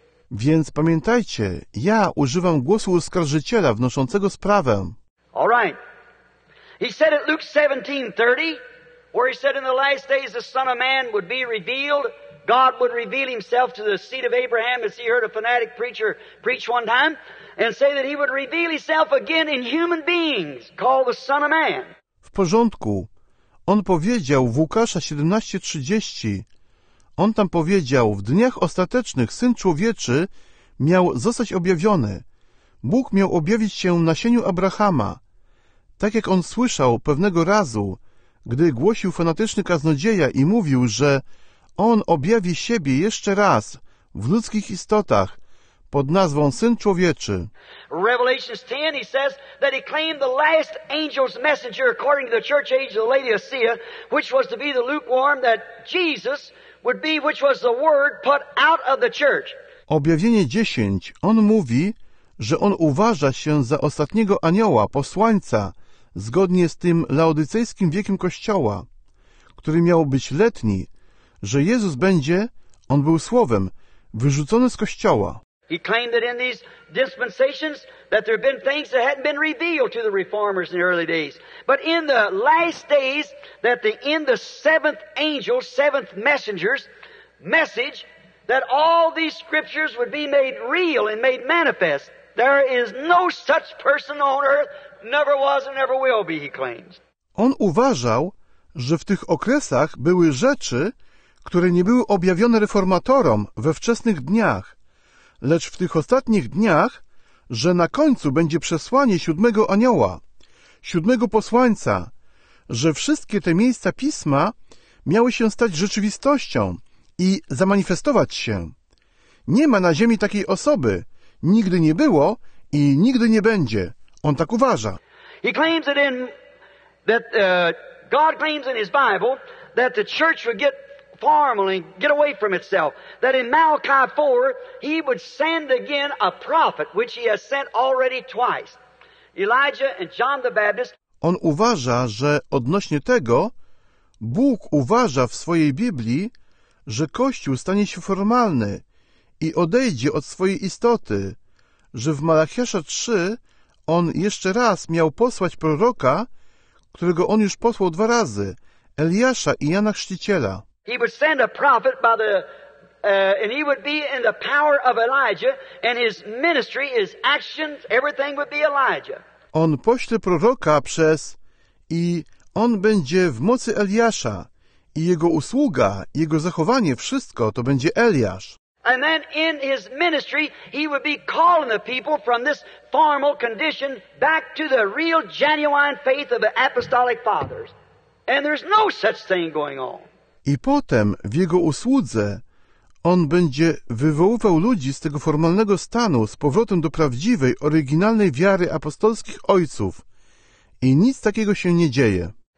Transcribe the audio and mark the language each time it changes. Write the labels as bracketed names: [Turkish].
[Polish] Więc pamiętajcie, ja używam głosu oskarżyciela wnoszącego sprawę. [English] All right. He said it Luke 17:30. Where he said in the last days the Son of Man would be revealed, God would reveal himself to the seed of Abraham, as he heard a fanatic preacher preach one time, and say that he would reveal himself again in human beings, called the Son of Man. [Polish] W porządku. On powiedział w Łukasza 17:30, On tam powiedział, w dniach ostatecznych Syn Człowieczy miał zostać objawiony. Bóg miał objawić się nasieniu Abrahama. Tak jak on słyszał pewnego razu, gdy głosił fanatyczny kaznodzieja i mówił, że on objawi siebie jeszcze raz w ludzkich istotach pod nazwą Syn Człowieczy. [English] Revelation 10, he says that he claimed the last angel's messenger according to the church age of the Laodicea, which was to be the lukewarm, that Jesus would be, which was the word put out of the church. [Polish] Objawienie 10, on mówi, że on uważa się za ostatniego anioła, posłańca, zgodnie z tym laodycejskim wiekiem Kościoła, który miał być letni, że Jezus będzie, on był słowem, wyrzucony z Kościoła. [English] He claimed that in these dispensations that there have been things that hadn't been revealed to the reformers in the early days. But in the last days, that in the seventh angel, seventh messenger's message, that all these scriptures would be made real and made manifest. There is no such person on earth, never was and never will be, he claims. [Polish] On uważał, że w tych okresach były rzeczy, które nie były objawione reformatorom we wczesnych dniach, lecz w tych ostatnich dniach, że na końcu będzie przesłanie siódmego anioła, siódmego posłańca, że wszystkie te miejsca Pisma miały się stać rzeczywistością i zamanifestować się. Nie ma na ziemi takiej osoby, nigdy nie było i nigdy nie będzie. On tak uważa. [English] He claims that God claims in his Bible that the church would get formally get away from itself, that in Malachi 4 he would send again a prophet, which he has sent already twice, Elijah and John the Baptist. [Polish] On uważa, że odnośnie tego Bóg uważa w swojej Biblii, że Kościół stanie się formalny i odejdzie od swojej istoty, że w Malachiasza 3 on jeszcze raz miał posłać proroka, którego on już posłał dwa razy, Eliasza i Jana Chrzciciela. [English] He would send a prophet by the, and he would be in the power of Elijah, and his ministry, his actions, everything would be Elijah. [Polish] On pośle proroka przez i on będzie w mocy Eliasza, i jego usługa, jego zachowanie, wszystko to będzie Eliasz. [English] And then in his ministry, he would be calling the people from this formal condition back to the real genuine faith of the apostolic fathers. And there's no such thing going on. [Polish] I potem w jego usłudze on będzie wywoływał ludzi z tego formalnego stanu z powrotem do prawdziwej, oryginalnej wiary apostolskich ojców. I nic takiego się nie dzieje.